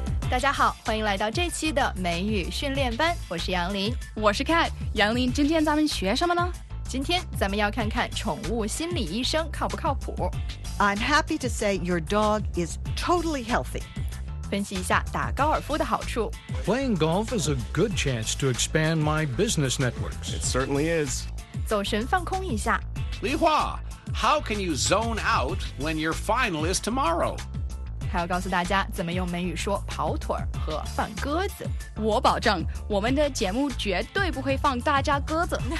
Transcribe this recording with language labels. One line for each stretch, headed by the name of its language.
Chinese: 大家好，欢迎来到这期的美语训练班，我是杨林。我是 Kat。杨林，今天咱们学什么呢？今天咱们要看看宠物心理医生靠不靠谱。
English: I'm happy to say your dog is totally healthy.
Chinese: 分析一下打高尔夫的好处。
English: Playing golf is a good chance to expand my business networks. It certainly is.
Chinese: 走神放空一下。
English: Li Hua, how can you zone out when your final is tomorrow?
Chinese: 还要告诉大家怎么用美语说跑腿和放鸽子。我保证我们的节目绝对不会放大家鸽子。